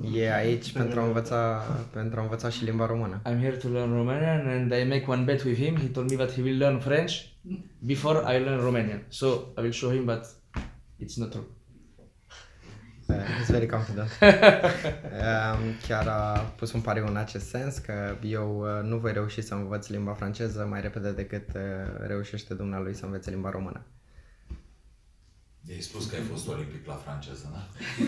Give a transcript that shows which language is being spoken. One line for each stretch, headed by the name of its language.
Romanian: Yeah, aici pentru a învăța și limba română.
English: I'm here to learn Romanian and I make one bet with him. He told me that he will learn French before I learn Romanian. So I will show him, but it's not true. He's very confident.
Romanian: Chiar a pus un pariu în acest sens, că eu nu voi reuși să învăț limba franceză mai repede decât reușește dumnealui să învețe limba română. I-ai spus că ai fost olimpic la franceză, nu?